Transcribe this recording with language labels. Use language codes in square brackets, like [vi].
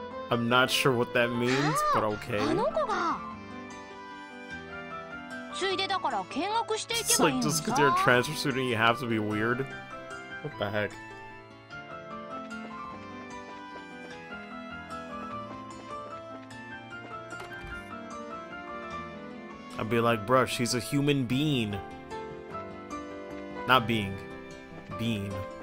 [en] I'm not sure what that means, but okay. [ja] あの子が。ついでだから見学していけばいいんだ。 [en] It's like, just because you're a transfer student, you have to be weird. What the heck? I'd be like, bruh, she's a human being. Not being. Being.